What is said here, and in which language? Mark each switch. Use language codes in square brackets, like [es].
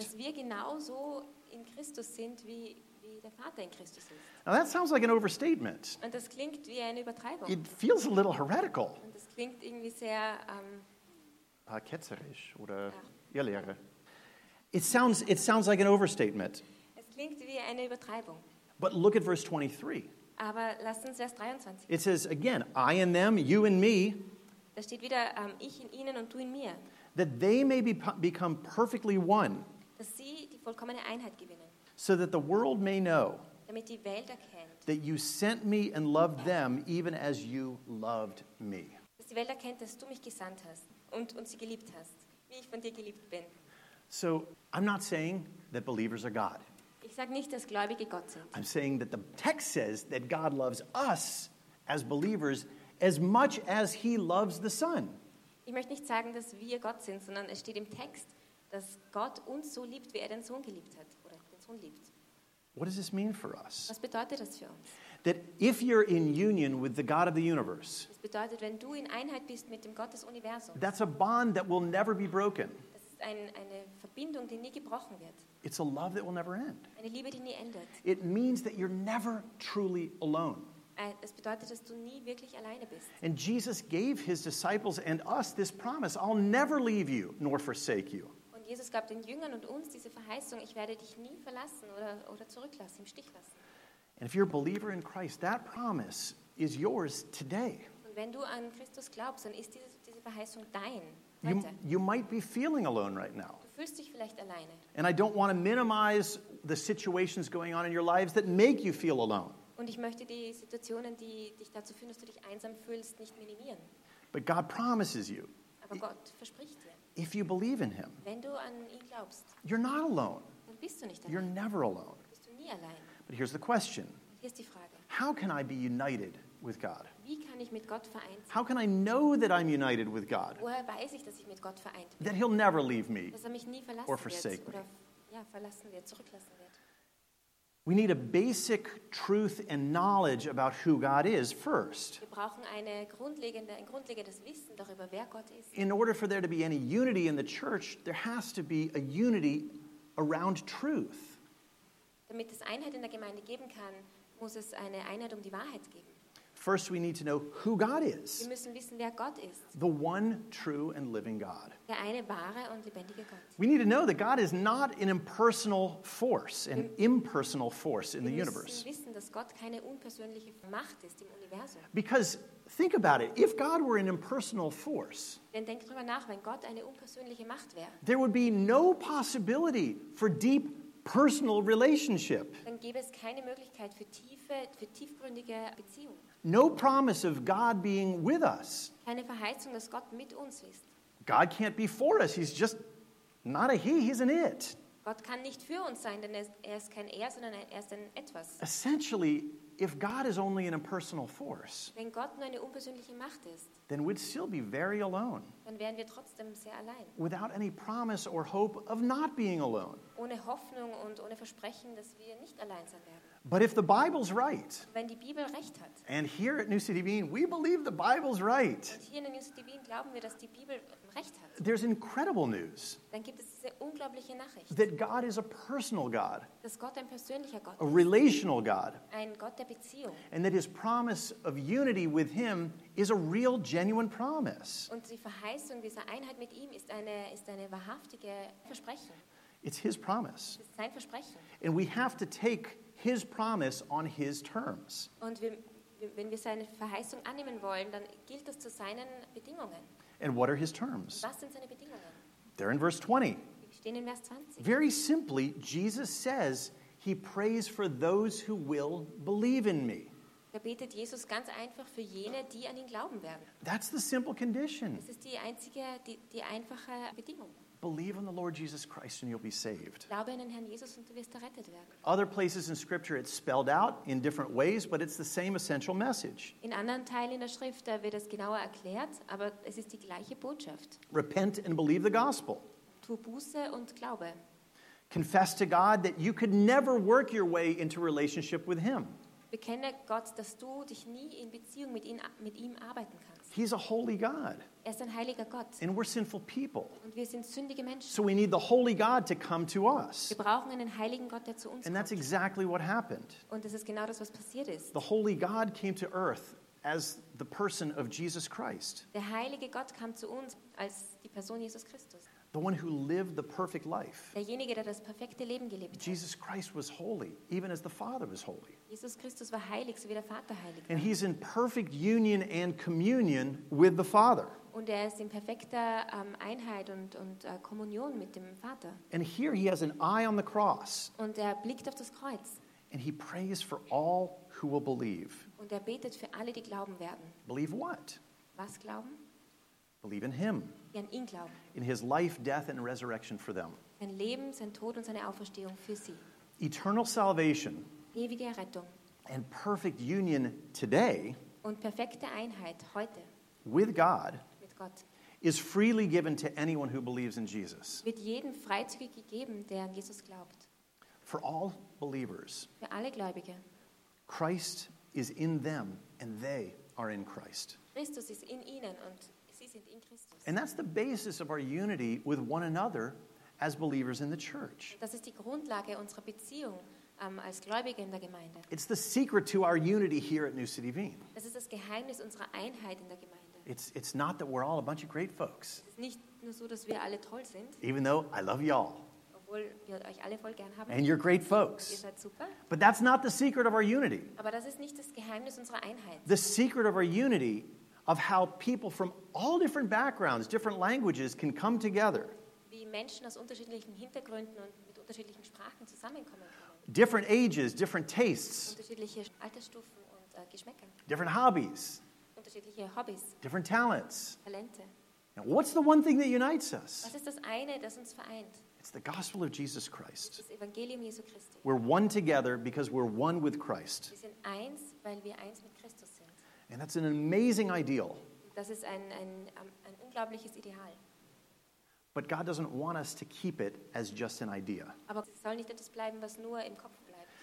[de] Dass wir genauso in Christus sind, wie der Vater in Christus ist. [en] Now that sounds like an overstatement. [de] Und das klingt wie eine Übertreibung. [en] It feels a little heretical. [de] Und das klingt irgendwie sehr ketzerisch oder irrlehre. [en] It sounds like an overstatement. [de] Klingt wie eine Übertreibung. [en] But look at verse 23. [de] Aber lasst uns Vers 23. [en] It says again, I in them, you in me. [de] Da steht wieder ich in ihnen und du in mir. [en] That they may become perfectly one. [de] Dass sie die vollkommene Einheit gewinnen. [en] So that the world may know. [de] Damit die Welt erkennt. [en] That you sent me and loved them even as you loved me. [de] Dass die Welt erkennt, dass du mich gesandt hast und sie geliebt hast, wie ich von dir geliebt bin. [en] So I'm not saying that believers are God. [de] Ich sage nicht, dass Gläubige Gott sind. [en] I'm saying that the text says that God loves us as believers as much as he loves the Son. [de] Ich möchte nicht sagen, dass wir Gott sind, sondern es steht im Text, dass Gott uns so liebt, wie er den Sohn geliebt hat oder den Sohn liebt. [en] What does this mean for us? [de] Was bedeutet das für uns? [en] That if you're in union with the God of the universe. [de] Das bedeutet, wenn du in Einheit bist mit dem Gott des Universums. [en] That's a bond that will never be broken. [de] Eine Verbindung, die nie gebrochen wird. [en] It's a love that will never end. [de] Eine Liebe, die nie endet. [en] It means that you're never truly alone. [de] Es bedeutet, dass du nie wirklich alleine bist. [en] And Jesus gave his disciples and us this promise, I'll never leave you nor forsake you. [de] Und Jesus gab den Jüngern und uns diese Verheißung, ich werde dich nie verlassen oder zurücklassen, im Stich lassen. [en] And if you're a believer in Christ, that promise is yours today. [de] Und wenn du an Christus glaubst, dann ist diese Verheißung dein. [en] You might be feeling alone right now. [de] Du fühlst dich vielleicht alleine. [en] And I don't want to minimize the situations going on in your lives that make you feel alone. [de] Und ich möchte die Situationen, die dich dazu führen, dass du dich einsam fühlst, nicht minimieren. [en] But God promises you. [de] Aber Gott verspricht dir. [en] If you believe in him. [de] Wenn du an ihn glaubst. [en] You're not alone. [de] Dann bist du nicht [en] alone. You're never alone. [de] Bist du nie allein. [en] But here's the question. [de] Hier ist die Frage. [en] How can I be united with God? [de] Wie kann ich mit Gott vereint sein? [en] How can I know that I'm united with God? [de] Woher weiß ich, dass ich mit Gott vereint bin? [en] That he'll never leave me. [de] Dass er mich nie verlassen [en] or forsake [de] wird, [en] me. [de] Oder, ja, verlassen wird, zurücklassen wird. [en] We need a basic truth and knowledge about who God is first. [de] Wir brauchen ein grundlegendes Wissen darüber, wer Gott ist. [en] In order for there to be any unity in the church, there has to be a unity around truth. [de] Damit es Einheit in der Gemeinde geben kann, muss es eine Einheit um die Wahrheit geben. [en] First we need to know who God is. [de] Wir müssen wissen, wer Gott ist. [en] The one true and living God. [de] Der eine wahre und lebendige Gott. [en] We need to know that God is not an impersonal force, an impersonal force in the universe. [de] Wir müssen wissen, dass Gott keine unpersönliche Macht ist im Universum. [en] Because think about it, if God were an impersonal force, [de] denn denk drüber nach, wenn Gott eine unpersönliche Macht wäre, [en] there would be no possibility for deep personal relationship. [de] Dann gäbe es keine Möglichkeit für tiefgründige Beziehung. [en] No promise of God being with us. [de] Keine Verheißung, dass Gott mit uns ist. [en] God can't be for us. He's just not a he, he's an it. [de] Gott kann nicht für uns sein, denn er ist kein er, sondern er ist ein etwas. [en] Essentially, if God is only an impersonal force, [de] wenn Gott nur eine unpersönliche Macht ist, [en] then we'd still be very alone. [de] Dann wären wir trotzdem sehr allein. [en] Without any promise or hope of not being alone. [de] Ohne Hoffnung und ohne Versprechen, dass wir nicht allein sein werden. [en] But if the Bible's right, [de] wenn die Bibel recht hat, [en] and here at New City Bean, we believe the Bible's right, [de] und hier in New City Bean glauben wir, dass die Bibel recht hat, [en] there's incredible news, [de] dann gibt es diese unglaubliche Nachricht, [en] that God is a personal God, [de] dass Gott ein persönlicher Gott ist, [en] a relational God, [de] ein Gott der Beziehung, [en] and that his promise of unity with him is a real, genuine promise. [de] Und die Verheißung dieser Einheit mit ihm ist eine wahrhaftige Versprechen. [en] It's his promise. [de] Es ist sein Versprechen. [en] And we have to take his promise on his terms. [de] Und wenn wir seine Verheißung annehmen wollen, dann gilt das zu seinen Bedingungen. [en] And what are his terms? [de] Was sind seine Bedingungen? [en] They're in verse 20. [de] Wir stehen in Vers 20. [en] Very simply, Jesus says he prays for those who will believe in me. [de] Da betet Jesus ganz einfach für jene, die an ihn glauben werden. [en] That's the simple condition. [de] Das ist die einfache Bedingung. [en] Believe on the Lord Jesus Christ and you'll be saved. [de] Glaube an den Herrn Jesus und du wirst errettet werden. [en] Other places in Scripture it's spelled out in different ways, but it's the same essential message. [de] In anderen Teilen in der Schrift da wird es genauer erklärt, aber es ist die gleiche Botschaft. [en] Repent and believe the gospel. [de] Tu Buße und glaube. [en] Confess to God that you could never work your way into relationship with him. [de] Bekenne Gott, dass du dich nie in Beziehung mit ihm arbeiten kannst. [en] He's a holy God. [de] Er ist ein heiliger Gott. [en] And we're sinful people. [de] Und wir sind sündige Menschen. [en] So we need the holy God to come to us. [de] Wir brauchen einen heiligen Gott, der zu uns [en] and [de] kommt. [en] That's exactly what happened. [de] Und das ist genau das, was passiert ist. [en] The holy God came to earth as the person of Jesus Christ. [de] Der heilige Gott kam zu uns als die Person Jesus Christus. [en] The one who lived the perfect life. [de] Derjenige, der das perfekte Leben gelebt hat. [en] Jesus Christ was holy, even as the Father was holy. [de] Jesus Christus war heilig, so wie der Vater heilig war. [en] And he's in perfect union and communion with the Father. [de] Und ist in perfekter Einheit und Kommunion mit dem Vater. [en] And here he has an eye on the cross. [de] Und blickt auf das Kreuz. [en] And he prays for all who will believe. [de] Und betet für alle, die glauben werden. [en] Believe what? [de] Was glauben? [en] Believe in him. [de] An ihn glauben. [en] In his life, death and resurrection for them. [de] Sein Leben, sein Tod und seine Auferstehung für sie. [en] Eternal salvation. [de] Ewige Errettung. [en] And perfect union today. [de] Und perfekte Einheit heute. [en] With God. [de] Mit Gott. [en] Is freely given to anyone who believes in Jesus. [de] Wird jedem freizügig gegeben, der an Jesus glaubt. [en] For all believers. [de] Für alle Gläubige. [en] Christ is in them and they are in Christ. [de] Christus ist in ihnen und [en] and that's the basis of our unity with one another as believers in the church. [de] Das ist die Grundlage unserer Beziehung als Gläubige in der Gemeinde. [en] It's the secret to our unity here at New City Bean. [de] Das ist das Geheimnis unserer Einheit in der Gemeinde. [en] It's not that we're all a bunch of great folks. [de] Es ist nicht nur so, dass wir alle toll sind. [en] Even though I love y'all. [de] Obwohl wir euch alle voll gern haben. [en] And you're great folks. [de] Ihr seid super. [en] But that's not the secret of our unity. [de] Aber das ist nicht das Geheimnis unserer Einheit. [en] The secret of our unity of how people from all different backgrounds, different languages can come together. [de] Wie Menschen aus unterschiedlichen Hintergründen und mit unterschiedlichen Sprachen zusammenkommen. [en] Different ages, different tastes. [de] Unterschiedliche Altersstufen und Geschmäcker. [en] Different hobbies. [de] Unterschiedliche Hobbys. [en] Different talents. [de] Talente. [en] Now, what's the one thing that unites us? [de] Was ist das eine, das uns vereint? [en] It's the gospel of Jesus Christ. [de] Das Evangelium Jesu Christi. [en] We're one together because we're one with Christ. [de] Wir sind eins, weil wir eins mit Christus sind. [en] And that's an amazing ideal. [de] Das ist ein unglaubliches Ideal. [en] But God doesn't want us to keep it as just an idea. [de] Aber es soll nicht etwas bleiben, was nur im Kopf bleibt.